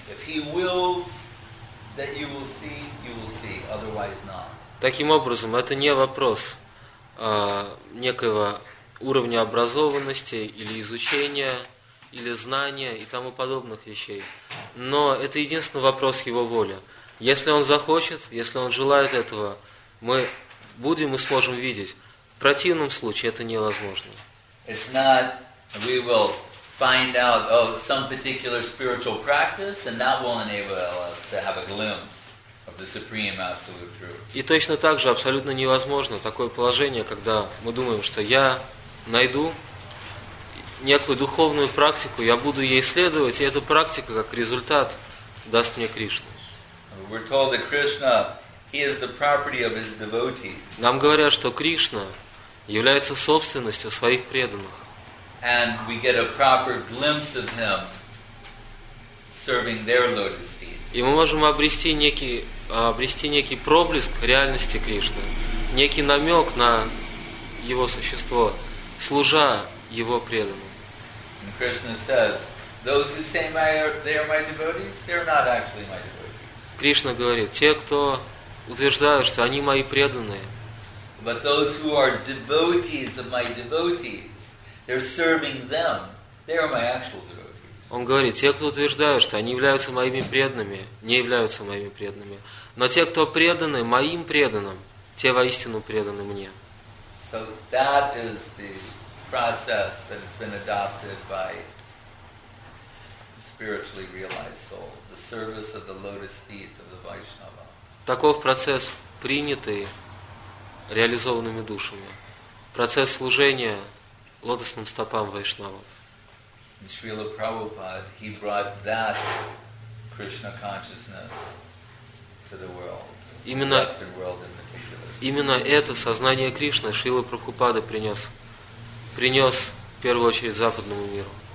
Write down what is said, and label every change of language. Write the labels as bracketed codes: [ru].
[en] If he wills that you will see, otherwise not. [ru] Таким образом, это не вопрос некоего уровня образованности или изучения или знания и тому подобных вещей. Но это единственный вопрос его воли. Если он захочет, если он желает этого, мы будем и сможем видеть. В противном случае это невозможно. [en] It's not we will find out of some particular spiritual practice and that will enable us to have a glimpse of the supreme absolute truth. [ru] И точно так же абсолютно невозможно такое положение, когда мы думаем, что я найду некую духовную практику, я буду ей следовать, и эта практика, как результат, даст мне Кришну. [en] We're told that Krishna, he is the property of his devotees. [ru] Нам говорят, что Кришна является собственностью своих преданных. [en] And we get a proper glimpse of him serving their lotus feet. [ru] И мы можем обрести некий проблеск реальности Кришны, некий намек на его существо, служа его преданным. [en] And Krishna says, those who say they are my devotees, they are not actually my devotees. [ru] Кришна говорит, те, кто утверждают, что они мои преданные. [en] But those who are devotees of my devotees, they're serving them. They are my actual devotees. [ru] Он говорит, те, кто утверждают, что они являются моими преданными, не являются моими преданными. Но те, кто преданы моим преданным, те воистину преданы мне. [en] So that is the process that has been adopted by spiritually realized soul, the service of the lotus feet of the Vaishnava. [ru] Таков процесс, принятый реализованными душами. Процесс служения лотосным стопам Вайшнавов. [en] And Srila Prabhupada, he brought that Krishna consciousness to the world, [ru] именно [en] the Western world in particular. [ru] Именно это сознание Кришны Шрила Прабхупада принес в первую очередь западному миру.